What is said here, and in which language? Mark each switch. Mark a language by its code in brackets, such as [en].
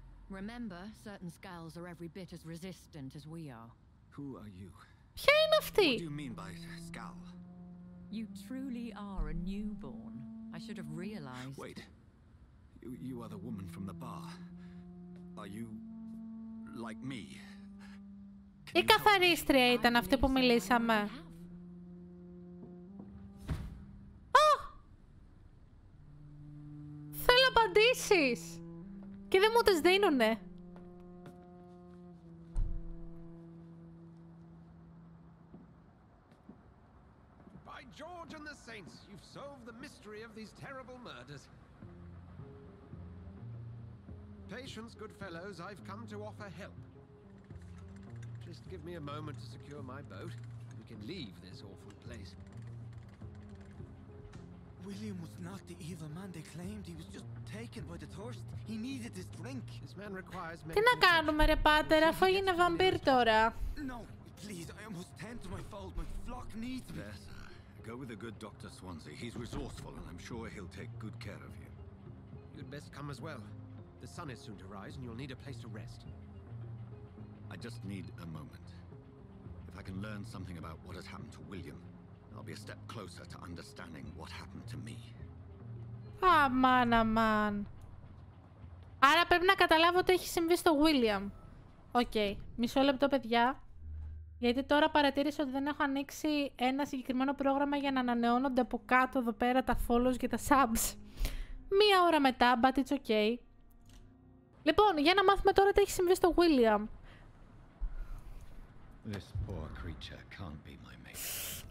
[en] Remember, certain skulls are every bit as resistant as we are. Who are you? [el] Ποια είναι αυτή? [en] What do you mean by skull? You truly are a newborn. I should have realized. Wait. You are the woman from the bar. Are you like me? [el] Η καθαρίστρια ήταν αυτή που μιλήσαμε. Α! Θέλω απαντήσεις! Και δεν μου τις δίνουνε. [en] By George and the Saints, you've solved the mystery of these terrible murders. Patience, good fellows, I've come to offer help. Just give me a moment to secure my boat. We can leave this awful place. William was not the evil man they claimed. He was just taken by the thirst. He needed his drink. This man requires [el] me. Τι να κάνουμε, ρε πάτερ, αφού είναι βαμπύρ τώρα. [en] No, please, I almost tend to my fault. My flock needs me. Yes, go with a good Dr. Swansea. He's resourceful, and I'm sure he'll take good care of you. You'd best come as well. The sun is soon to rise, and you'll need a place to rest. I just need a moment. If I can learn something about what has happened to William, I'll be a step closer to understanding what happened to me. [el] Αμάν, αμάν. Άρα πρέπει να καταλάβω τι έχει συμβεί στο William. Okay. Μισό λεπτό, παιδιά. Γιατί τώρα παρατήρησα ότι δεν έχω ανοίξει ένα συγκεκριμένο πρόγραμμα για να ανανεώνονται από κάτω εδώ πέρα τα follows και τα subs. Μία ώρα μετά, [en] but it's okay. [el] Λοιπόν, για να μάθουμε τώρα τι έχει συμβεί στο William. [en] This poor creature can't be my mate.